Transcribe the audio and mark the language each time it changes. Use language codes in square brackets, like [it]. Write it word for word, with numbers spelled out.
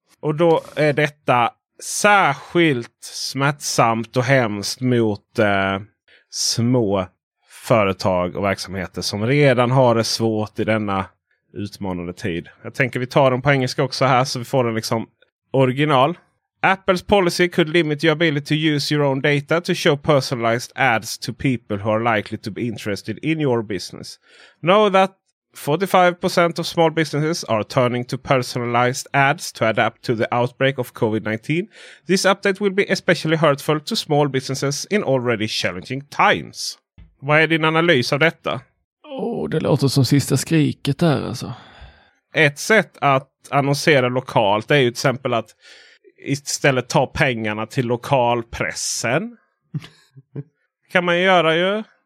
[sv] Och då är detta särskilt smärtsamt och hemskt mot eh, små företag och verksamheter som redan har det svårt i denna utmanande tid. Jag tänker vi tar dem på engelska också här så vi får den liksom original. [en] Apple's policy could limit your ability to use your own data to show personalized ads to people who are likely to be interested in your business. Know that forty-five percent of small businesses are turning to personalized ads to adapt to the outbreak of covid nineteen. This update will be especially hurtful to small businesses in already challenging times. [sv] Vad är din analys av detta? Oh, det låter som sista skriket där alltså. Ett sätt att annonsera lokalt är ju till exempel att istället ta pengarna till lokalpressen. Kan man göra ju.